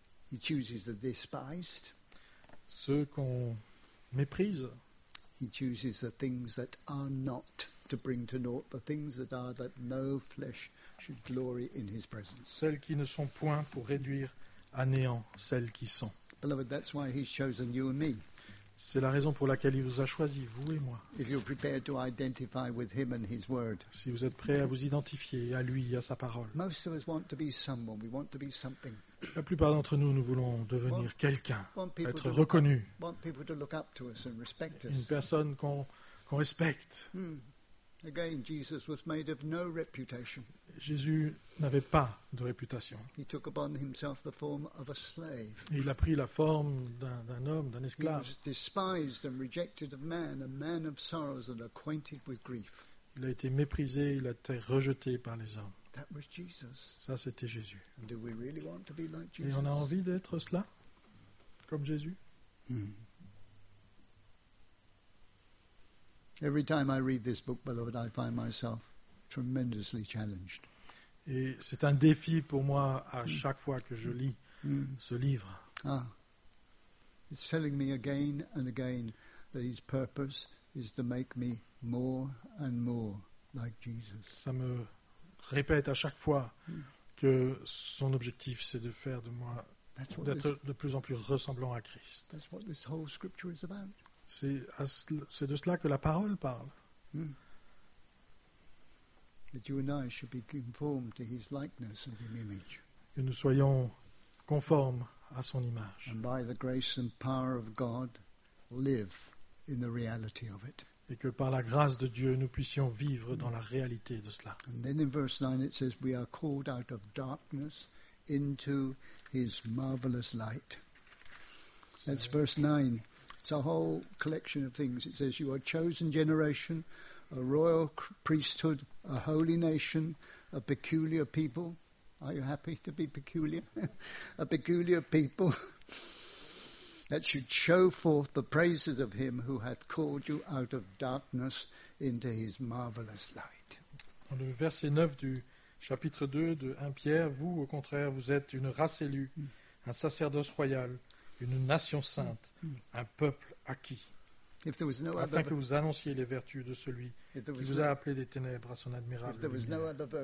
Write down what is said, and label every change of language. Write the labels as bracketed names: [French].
[English] He chooses the despised. [French] Ceux qu'on méprise. [English] He chooses the things that are not, to bring to naught the things that are, that no flesh should glory in his presence. [French] Celles qui ne sont point, pour réduire à néant celles qui sont. [English] Beloved, that's why he's chosen you and me. [French] C'est la raison pour laquelle il vous a choisi, vous et moi. [English] If you're prepared to identify with him and his word. [French] Si vous êtes prêt à vous identifier à lui et à sa parole. [English] Most of us want to be someone. We want to be something. [French] La plupart d'entre nous, nous voulons devenir quelqu'un, être reconnu. [English] Want people to look up to us and respect us. [French] Une personne qu'on respecte. [English] Again, Jesus was made of no reputation. [French] Jésus n'avait pas de réputation. [English] He took upon himself the form of a slave. [French] Et il a pris la forme d'un homme, d'un esclave. [English] He was despised and rejected of man, a man of sorrows and acquainted with grief. [French] Il a été méprisé, il a été rejeté par les hommes. [English] That was Jesus. [French] Ça, c'était Jésus. [English] And do we really want to be like Jesus? [French] Et on a envie d'être cela, comme Jésus? [English] Every time I read this book, beloved, I find myself tremendously challenged. [French] Et c'est un défi pour moi à chaque fois que je lis ce livre. Ah. [English] It's telling me again and again that his purpose is to make me more and more like Jesus. [French] Ça me répète à chaque fois que son objectif c'est de faire de moi d'être de plus en plus ressemblant à Christ. [English] That's what this whole scripture is about. [French] C'est de cela que la parole parle. [English] That you and I should be conformed to his likeness and his image. [French] Que nous soyons conformes à son image. [English] And by the grace and power of God, live in the reality of it. [French] Et que par la grâce de Dieu, nous puissions vivre dans la réalité de cela. [English] And then in verse 9 it says, we are called out of darkness into his marvelous light. That's verse 9. It's a whole collection of things. It says, you are a chosen generation, a royal priesthood, a holy nation, a peculiar people. Are you happy to be peculiar? A peculiar people that should show forth the praises of him who hath called you out of darkness into his marvelous light. [French] Dans le verset 9 du chapitre 2 de 1 Pierre, vous, au contraire, vous êtes une race élue, un sacerdoce royal, une nation sainte, un peuple acquis. afin que vous annonciez les vertus de celui qui vous a appelé des ténèbres à son admirable lumière.